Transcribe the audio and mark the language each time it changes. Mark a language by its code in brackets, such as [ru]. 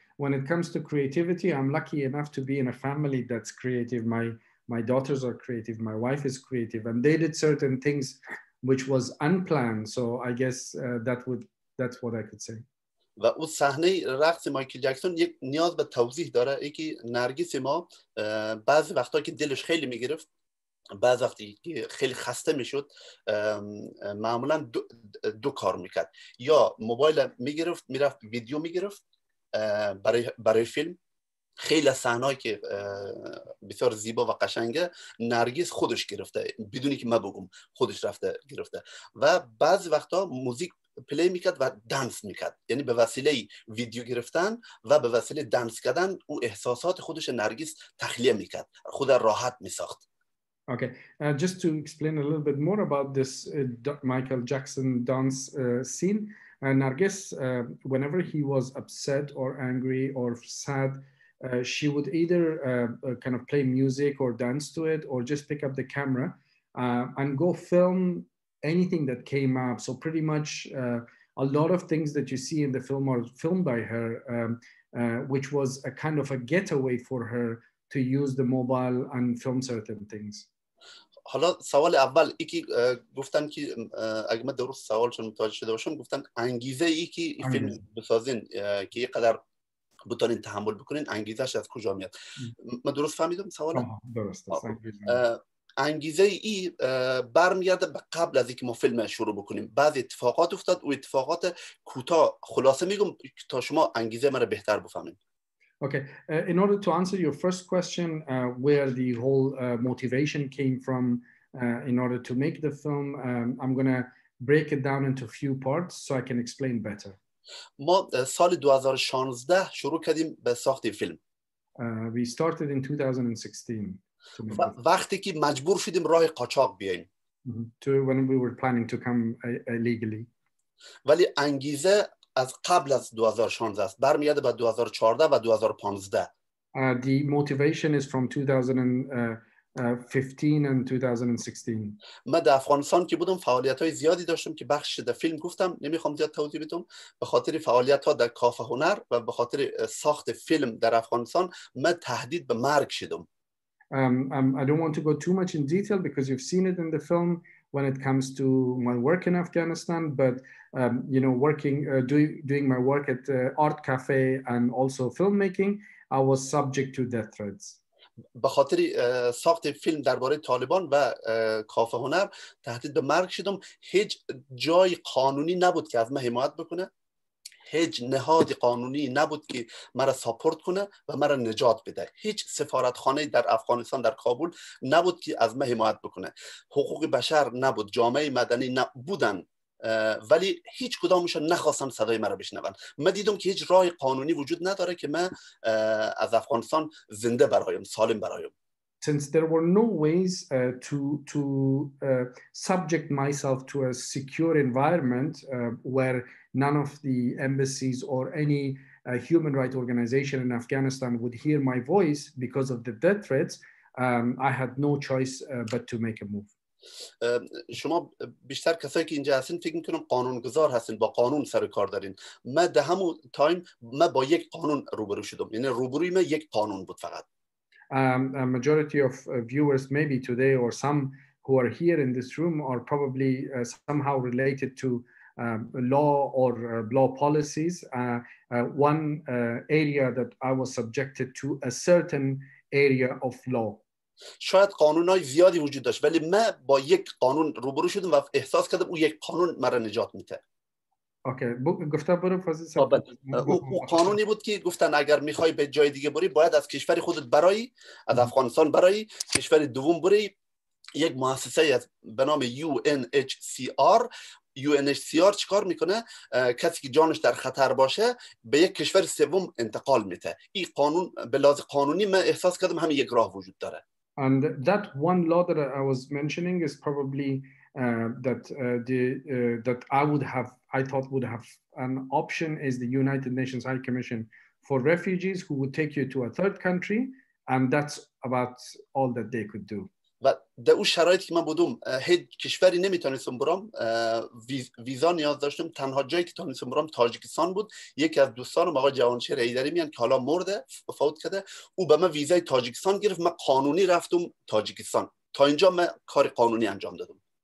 [en] When it comes to creativity, I'm lucky enough to be in a family that's creative. My daughters are creative. My wife is creative. And they did certain things which was unplanned. So I guess that's what I could say. [fa] و اون صحنه رقص مایکل جکسون یک نیاز به توضیح داره. ای که نرگس ما بعضی وقتا که دلش خیلی میگرفت، بعض وقتی خیلی خسته میشد، معمولا دو کار میکرد. یا موبایل میگرفت، میرفت ویدیو میگرفت برای فیلم. خیلی صحنه‌ای که بسیار زیبا و قشنگه نرگس خودش گرفته، بدونی که من بگم خودش رفته گرفته. و بعض وقتا موزیک پلی میکرد و دنس میکرد، یعنی به وسیله ویدیو گرفتن و به وسیله دنس کردن او احساسات خودش نرگس تخلیه میکرد، خود راحت میساخت. [en] Okay, just to explain a little bit more about this Michael Jackson dance scene, Nargis, whenever he was upset or angry or sad, she would either kind of play music or dance to it or just pick up the camera and go film anything that came up. So pretty much a lot of things that you see in the film are filmed by her, which was a kind of a getaway for her to use the mobile and film certain things. [fa] حالا سوال اول ای که گفتن که اگه من درست سوالشون متوجه شده باشم، گفتن انگیزه ای که فیلم بسازین که یکقدر بتونین تحمل بکنین، انگیزش از کجا میاد؟ من درست فهمیدم سوال؟ درست. انگیزه ای برمیاد به قبل از اینکه ما فیلم شروع بکنیم. بعضی اتفاقات افتاد و اتفاقات کوتاه خلاصه میگم تا شما انگیزه من رو بهتر بفهمین. [en] Okay, in order to answer your first question, where the whole motivation came from in order to make the film, I'm going to break it down into a few parts so I can explain better. [fa] ما سال 2016 شروع کردیم به ساخت فیلم. [en] We started in 2016. [fa] وقتی که مجبور شدیم راه قاچاق بیاییم. [en] To when we were planning to come illegally. [fa] ولی انگیزه از قبل از 2016 است، برمیاد به 2014 و 2015. [en] The motivation is from 2015 and 2016. [fa] من در افغانستان که بودم فعالیت‌های زیادی داشتم که بخش در فیلم گفتم، نمیخوام زیاد توضیح بدم. به خاطر فعالیت‌ها در کافه هنر و به خاطر ساخت فیلم در افغانستان، من تهدید به مرگ شدم. [en] I don't want to go too much in detail because you've seen it in the film when it comes to my work in Afghanistan, but you know, working doing my work at art cafe and also filmmaking, I was subject to death threats. [fa] به خاطر ساخت فیلم درباره طالبان و کافه هنر تهدید به مرگ شدم. هیچ جای قانونی نبود که از من حمایت بکنه، هیچ نهادی قانونی نبود که مرا ساپورت کنه و مرا نجات بده، هیچ سفارتخانه در افغانستان در کابل نبود که از من حمایت بکنه، حقوق بشر نبود، جامعه مدنی نبودن، ولی هیچ کدامشون نخواستن صدای مرا بشنون. من دیدم که هیچ راه قانونی وجود نداره که من از افغانستان زنده برایم، سالم برایم. [en] Since there were no ways to subject myself to a secure environment where none of the embassies or any human rights organization in Afghanistan would hear my voice because of the death threats, I had no choice but to make a move. [fa] شما بیشتر کسایی که اینجا هستین فکر میکنم قانونگذار هستین، با قانون سر کار دارین. من در همون تایم من با یک قانون روبرو شدم، یعنی روبروی من یک قانون بود فقط. [en] A majority of viewers maybe today or some who are here in this room are probably somehow related to law or law policies. One area that I was subjected to a certain area of law. [fa] شاید قانون‌های زیادی وجود داشت ولی من با یک قانون روبرو شدم و احساس کردم او یک قانون مرا نجات میده. اوکی گفته برو فازیل صاحب او قانونی بود که گفتن اگر میخوای به جای دیگه بری باید از کشور خودت برای از افغانستان برای کشور دوم بری یک مؤسسه به نام UNHCR UNHCR چیکار میکنه کسی که جانش در خطر باشه به یک کشور سوم انتقال میده این قانون به لحاظ قانونی من احساس کردم همین یک راه وجود داره [en] and that one law that I was mentioning is probably I thought would have an option is the United Nations High Commission for refugees who would take you to a third country and that's about all that they could do [fa] و در اون شرایطی که من بودم هیچ کشوری نمیتونستم برام ویزا نیاز داشتم تنها جایی که تونستم برام تاجیکستان بود یکی از دوستانم آقای جوانشهر ایدری میان که حالا مرده فوت کرده او به من ویزای تاجیکستان گرفت من قانونی رفتم تاجیکستان تا اینجا من کار قانونی انجام دادم